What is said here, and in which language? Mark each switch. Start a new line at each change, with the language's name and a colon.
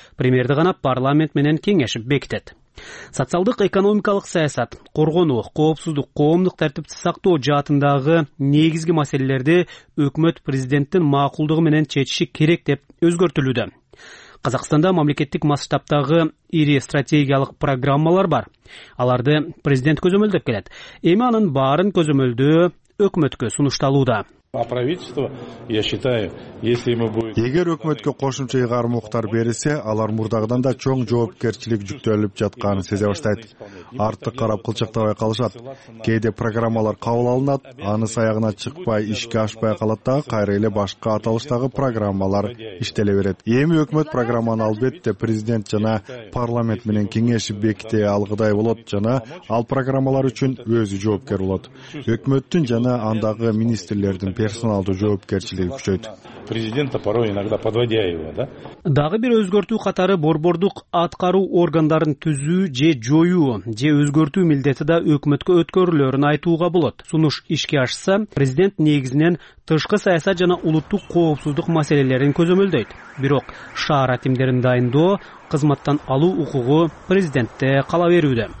Kyrgyz: Премьерди гана парламент менен кеңешип бекитет. Социалдык экономикалык саясат, коргонуу, коопсуздук, коомдук тартипти сактоо жаатындагы негизги маселелерди өкмөт президенттин макулдугу менен чечиши керек деп өзгөртүлүүдө. Казакстанда мамлекеттик масштабтагы ири стратегиялык программалар бар. Аларды президент көзөмөлдөп келет. Эми анын баарын көзөмөлдөө өкмөткө сунушталууда.
Russian: А правительство, я считаю, если ему будет...
Kyrgyz: Эгер өкмөткө кошумча ыйгарым укуктар берилсе, алар мурдагыдан да чоң жоопкерчилик жүктөлүп жатканын сезе баштайт. Артык карап кылчактабай калышат. Кээде программалар кабыл алынат, аны саягына чыкпай, ишке ашпай калат дагы кайра эле башка аталыштагы программалар иштеле берет. Эми өкмөт программаны албетте президент жана парламент менен кеңешип беките алгыдай болот жана ал программалар үчүн өзү жоопкер болот. Өкмөттүн жана андагы министрлер персоналды жоопкерчилиги күчөйт.
Russian: Президента порой иногда подводя его, да?
Kyrgyz: Дагы бир өзгөртүү катары борбордук аткаруу органдарын түзүү же жоюу же өзгөртүү милдети да өкмөткө өткөрүлөрүн айтууга болот. Сунуш ишке ашса, президент негизинен тышкы саясат жана улуттук коопсуздук маселелерин көзөмөлдөйт. Бирок шаар атимдерин дайындоо, кызматтан алуу укугу президентте кала берүүдө.